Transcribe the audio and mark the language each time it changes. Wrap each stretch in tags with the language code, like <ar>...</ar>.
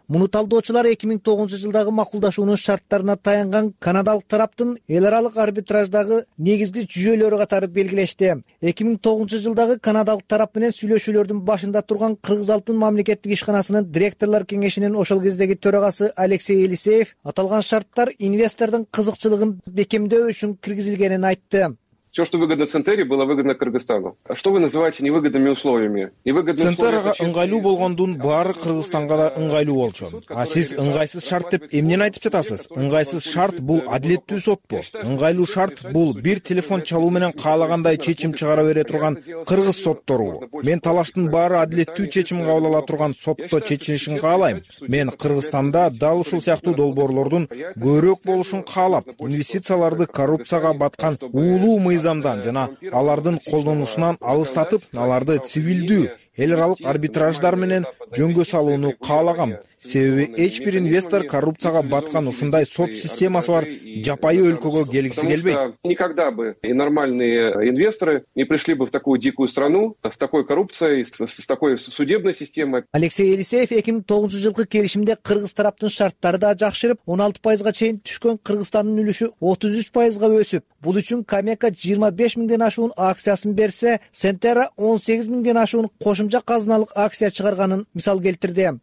<ky>Муну талдоочулар 2009 жылдагы макулдашуунун шарттарына таянган канадалык тараптын эл аралык арбитраждагы негизги жүйөлөрү катары белгилешти. 2009 жылдагы канадалык тарап менен сүйлөшүүлөрдүн башында турган Кыргыз Алтын мамлекеттик ишканасынын директорлор кеңешинин ошол кездеги төрагасы Алексей Елисеев аталган шарттар инвестордун кызыкчылыгын бекемдөө үчүн киргизилгенин айтты.</ky> <ru>Все, что выгодно Центере, было выгодно Кыргызстану. А что вы называете невыгодными условиями?</ru> <ky>Центерга ыңгайлуу болгондун баары Кыргызстанга да ыңгайлуу болчу. А сиз ыңгайсыз шарт деп эмнени айтып жатасыз? Ыңгайсыз шарт бул адилеттүү сотпу? Ыңгайлуу шарт бул бир телефон чалуу менен каалагандай чечим чыгара бере турган кыргыз сотторубу? Мен талаштын баары адилеттүү чечим кабыл ала турган сотто чечилишин каалайм. Мен Кыргызстанда дал ушул сыяктуу долбоорлордун көбүрөөк болушун каалап, инвестицияларды коррупцияга баткан уулуу мыйзамдан жана алардын колдонулушунан алыстатып, аларды цивилдүү эл аралык арбитраждар менен жөнгө салууну каалагам. Себеби эч бир инвестор коррупцияга баткан ушундай сот системасы бар жапайы өлкөгө келгиси келбейт.</ky> <ru>Никогда бы и нормальные инвесторы не пришли бы в такую дикую страну, с такой коррупцией, с такой судебной системой.</ru> <ky>Алексей Елисеев 2009 жылкы келишимде кыргыз тараптын шарттары да жакшырып, 16%га чейин түшкөн Кыргызстандын үлүшү 33%га өсүп, бул үчүн Камека 25 миңден ашуун акциясын берсе, Сентера 18 миңден ашуун кошумча казыналык акция чыгарганын мисал келтирди.</ky>